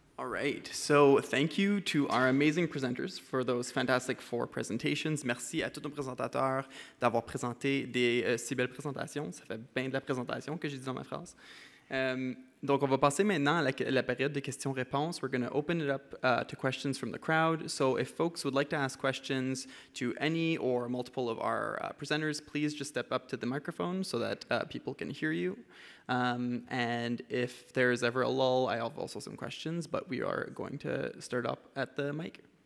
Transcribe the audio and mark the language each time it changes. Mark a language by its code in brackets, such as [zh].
[en] Right. So thank you to our amazing presenters for those fantastic four presentations. [fr] Merci à tous nos présentateurs d'avoir présenté des si belles présentations. Ça fait bien de la présentation que j'ai dit dans ma phrase. Donc on va passer maintenant à la période de questions-réponses. [en] We're going to open it up to questions from the crowd. So if folks would like to ask questions to any or multiple of our presenters, please just step up to the microphone so that people can hear you. And if there is ever a lull, I have also some questions, but we are going to start up at the mic.